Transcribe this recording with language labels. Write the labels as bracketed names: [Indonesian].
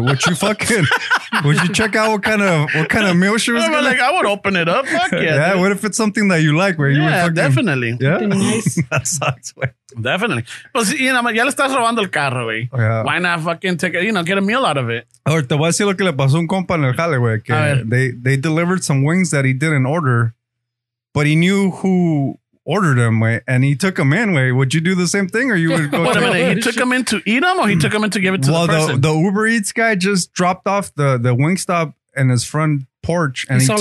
[English] Would you fucking, would you check out what kind of meal she was getting? Like, I would open it up. Fuck yeah. Yeah, dude. What if it's something that you like, where you would fucking. Definitely. Yeah, definitely. Yeah. That sucks, [Spanish] güey. Definitely. Pues, you know, ya le estás robando el carro, güey. [English] Yeah. Why not fucking take it, you know, get a meal out of it? [Spanish] Or te voy a decir lo que le pasó a un compa en el jale, güey. [English] They delivered some wings that he didn't order, but he knew who ordered them, güey. And he took them in, güey. Would you do the same thing or you would go? Wait a minute. He took them in to eat them or he took them in to give it to the person? Well, the Uber Eats guy just dropped off the Wingstop in his front porch and he took